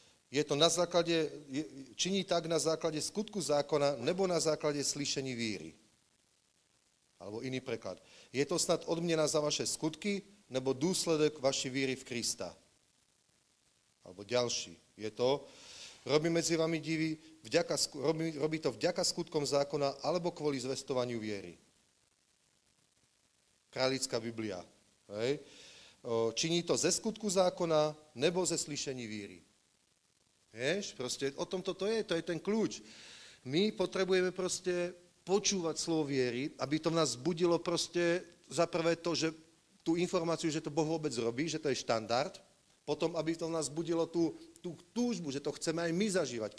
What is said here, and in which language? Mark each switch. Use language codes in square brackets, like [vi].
[cs] Je to na základe, činí tak na základe skutku zákona, nebo na základe slyšení víry. [sk] Alebo iný preklad. [cs] Je to snad odmena za vaše skutky, nebo důsledek vaši víry v Krista. [sk] Alebo ďalší. Je to, robí medzi vami divy, robí to vďaka skutkom zákona, alebo kvôli zvestovaniu viery. Kráľická Biblia. Hej. [cs] Činí to ze skutku zákona, nebo ze slyšení víry. [sk] Vieš, proste o tom to je ten kľúč. My potrebujeme proste počúvať slovo viery, aby to v nás budilo proste za prvé to, že tú informáciu, že to Boh vôbec robí, že to je štandard, potom aby to v nás budilo tú túžbu, že to chceme aj my zažívať.